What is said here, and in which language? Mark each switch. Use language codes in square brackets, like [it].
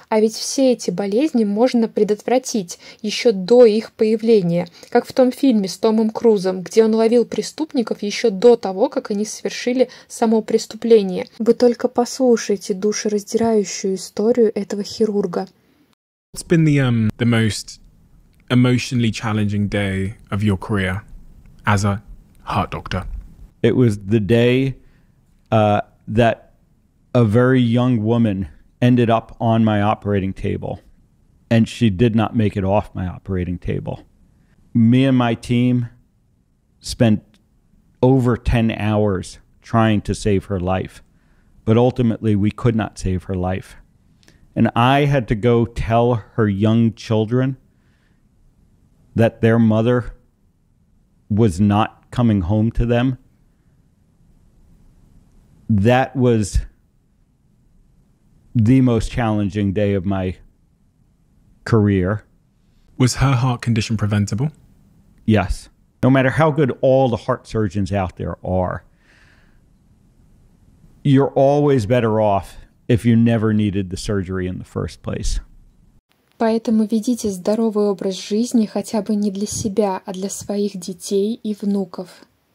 [ru] А ведь все эти болезни можно предотвратить еще до их появления. Как в том фильме с Томом Крузом, где он ловил преступников еще до того, как они совершили само преступление. Вы только послушайте душераздирающую историю этого хирурга. [en] What's been the most emotionally challenging day of your career as a heart doctor? It was the day that a very young woman ended up on my operating table, and she did not make it off my operating table. Me and my team spent over 10 hours trying to save her life, but ultimately we could not save her life. And I had to go tell her young children that their mother was not coming home to them. That was the most challenging day of my career. Was her heart condition preventable? Yes. No matter how good all the heart surgeons out there are, you're always better off if you never needed the surgery in the first place. [ru] Поэтому ведите здоровый образ жизни хотя бы не для себя, а для своих детей и внуков.